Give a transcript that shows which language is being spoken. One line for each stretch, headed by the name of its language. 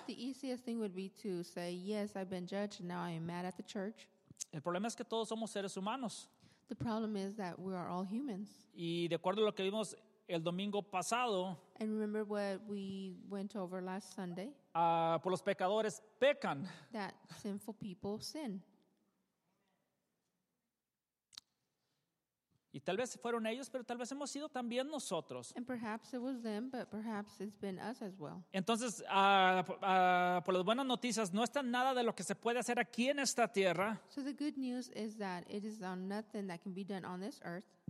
English: The easiest thing would be to say, yes, I've been judged and now I'm mad at the church.
Spanish: El problema es que todos somos seres humanos.
English: The problem is that we are all humans.
Spanish: Y de acuerdo a lo que vimos el domingo pasado,
English: and remember what we went over last Sunday?
Spanish: Por los pecadores pecan.
English: That sinful people sin.
Spanish: Y tal vez fueron ellos, pero tal vez hemos sido también nosotros.
English: And perhaps it was them, but perhaps it's been us as well.
Spanish: Entonces, por las buenas noticias, no está nada de lo que se puede hacer aquí en esta tierra.
English: So the good news is that it is on nothing that can be done on this earth.